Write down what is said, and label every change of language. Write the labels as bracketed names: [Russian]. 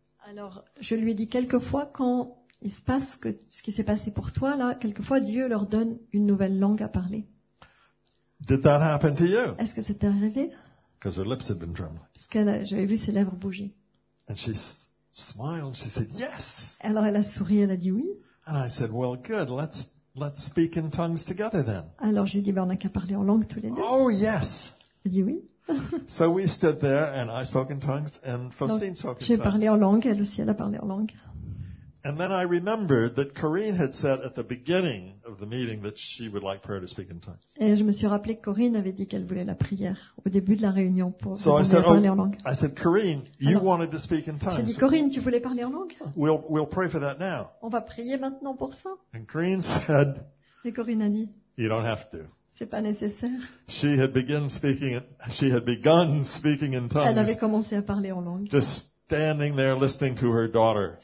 [French] Alors, je lui ai dit, quelquefois, quand il se passe que, ce qui s'est passé pour toi, là, quelquefois, Dieu leur donne une nouvelle langue à parler. [English] Did that happen to you? [French] Est-ce que c'était arrivé? [English] Because her lips had been trembling. [French] Parce qu'elle, j'avais vu ses lèvres bouger. [English] And she smiled. She said, "Yes." [French] Alors elle a souri. Elle a dit oui. [English] And I said, "Well, good. Let's speak in tongues together then." [French] Alors j'ai dit, ben on n'a qu'à parler en langue tous les deux. [English] Oh yes. [French] Elle a dit oui. [English] So we stood there, and I spoke in tongues, and Faustine spoke in tongues. [French] J'ai parlé en langue. Elle aussi, elle a parlé en langue. [English] And then I remembered that Corinne had said at the beginning of the meeting that she would like prayer to speak in tongues. [French] Et je me suis rappelé que Corinne avait dit qu'elle voulait la prière au début de la réunion pour parler en langue. [English] I said, Corinne, you wanted to speak in tongues. [French] J'ai dit, Corinne, tu voulais parler en langue? [English] We'll pray for that now. [French] On va prier maintenant pour ça. [English] And Corinne said, [French] et Corinne a dit, [English] you don't have to. [French] C'est pas nécessaire. [English] She had begun speaking in tongues. [French] Elle avait commencé à parler en langue. [English] Just standing there listening to her daughter.